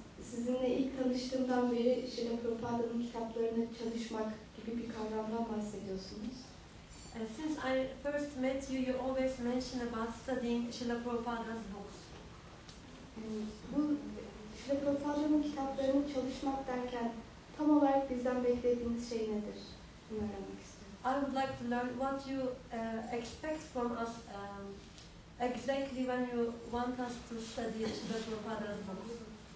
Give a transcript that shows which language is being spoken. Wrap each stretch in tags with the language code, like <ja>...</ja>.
<tr>Sizinle ilk tanıştığımdan beri Srila Prabhupada'nın kitaplarına çalışmak gibi bir kavramdan bahsediyorsunuz.</tr> <en>Since I first met you, you always mention about studying Srila Prabhupada's books.</en> <tr>Bu Srila Prabhupada'nın kitaplarını çalışmak derken tam olarak bizden beklediğiniz şey nedir? Bunu öğrenmek istiyorum.</tr> <en>I would like to learn what you expect from us exactly when you want us to study Srila Prabhupada's books.</en>